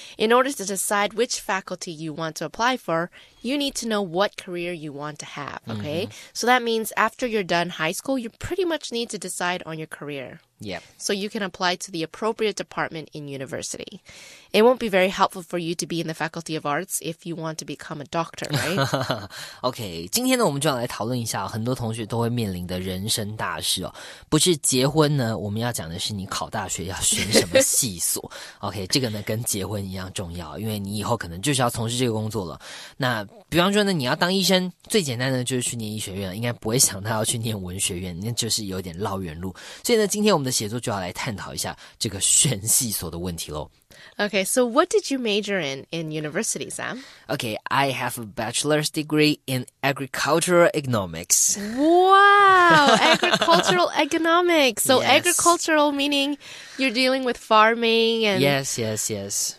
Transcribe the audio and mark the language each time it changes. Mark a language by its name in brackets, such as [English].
[English] In order to decide which faculty you want to apply for, you need to know what career you want to have, okay? Mm-hmm. So that means after you're done high school, you pretty much need to decide on your career. Yep. So you can apply to the appropriate department in university. It won't be very helpful for you to be in the Faculty of Arts if you want to become a doctor, right? [Chinese] Okay, 今天呢我们就要来讨论一下很多同学都会面临的人生大事哦。不是结婚呢，我们要讲的是你考大学要选什么系所。 Okay, 这个呢跟结婚一样重要，因为你以后可能就是要从事这个工作了。那比方说呢，你要当医生，最简单的就是去念医学院，应该不会想到要去念文学院，那就是有点绕远路。所以呢，今天我们的写作就要来探讨一下这个选系所的问题咯。 [English] Okay, so what did you major in university, Sam? Okay, I have a bachelor's degree in agricultural economics. Wow, agricultural economics. So yes. Agricultural meaning you're dealing with farming and... Yes, yes, yes.